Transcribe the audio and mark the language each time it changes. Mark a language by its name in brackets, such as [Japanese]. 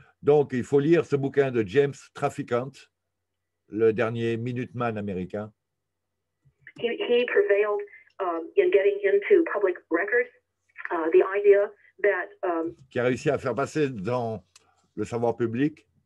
[French] Donc, il faut lire ce bouquin de James Traficant, le dernier Minuteman américain. [English] He prevailed in getting into public records the idea that [French] qui a réussi à faire passer dans le savoir public.